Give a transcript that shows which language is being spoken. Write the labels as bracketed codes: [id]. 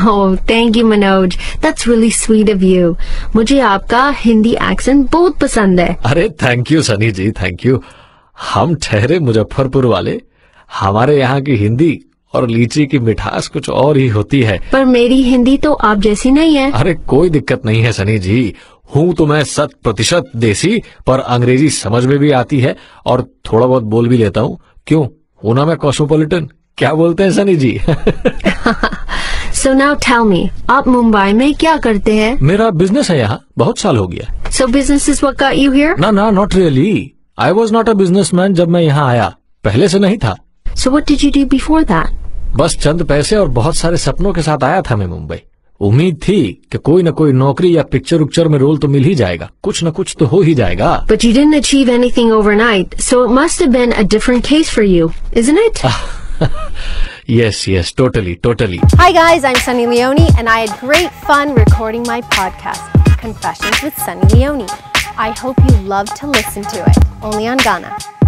[en] Oh, thank you Manoj. That's really sweet of you. [hi] मुझे आपका Hindi accent बहुत पसंद है. [en] Are thank you Sunny ji, thank you. [hi] Hum thehre Muzaffarpur wale, hamare yahan ki Hindi और लीची की मिठास कुछ और ही होती है. पर मेरी हिंदी तो आप जैसी नहीं है. अरे कोई दिक्कत नहीं है सनी जी, हूँ तो मैं 100% देसी, पर अंग्रेजी समझ में भी आती है और थोड़ा बहुत बोल भी लेता हूँ. क्यों हूँ ना मैं कॉस्मोपॉलिटन, क्या बोलते हैं सनी जी. [en] So now tell me, [hi] आप मुंबई में क्या करते हैं? मेरा बिजनेस है यहाँ, बहुत साल हो गया. [en] So business is what got you here? No, not really. I was not a businessman [hi] जब मैं यहाँ आया, पहले से नहीं था. [en] So what did you do before that? [hi] बस चंद पैसे और बहुत सारे सपनों के साथ आया था मैं मुंबई. उम्मीद थी कि कोई न कोई नौकरी या पिक्चर उक्चर में रोल तो मिल ही जाएगा, कुछ न कुछ तो हो ही जाएगा. [en] But you didn't achieve anything overnight, so it must have been a different case for you, isn't it? yes, totally. Hi guys, I'm Sunny Leone and I had great fun recording my podcast, Confessions with Sunny Leone. I hope you love to listen to it, only on Gaana.